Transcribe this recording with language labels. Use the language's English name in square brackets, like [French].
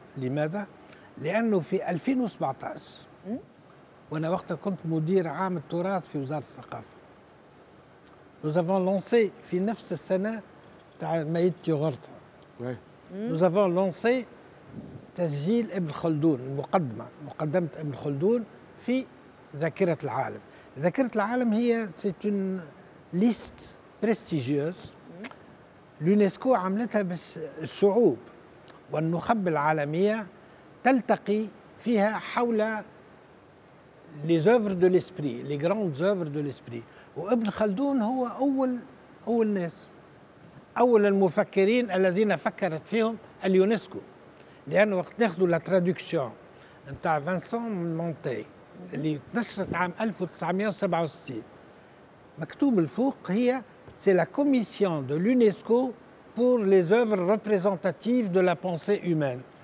[Arabic] لماذا؟ لأنه في 2017 وأنا وقتها كنت مدير عام التراث في وزارة الثقافة، [French] nous avons lancé [Arabic] في نفس السنة تاع ميت يوغرت، [French] nous avons lancé [Arabic] تسجيل ابن خلدون، مقدمة ابن خلدون في ذاكرة العالم. ذاكرة العالم هي [French] c'est une liste prestigieuse [Arabic] اليونسكو عملتها بالشعوب والنخب العالمية تلتقي فيها حول [French] les œuvres de l'esprit [Arabic] les grandes œuvres de l'esprit. وابن خلدون هو اول ناس، اول المفكرين الذين فكرت فيهم اليونسكو. لأن وقت ناخذوا لا ترادكسيون نتاع فانسون مونتي اللي نشرت عام 1967 مكتوب الفوق هي [French] c'est la commission de l'UNESCO pour les œuvres représentatives de la pensée humaine.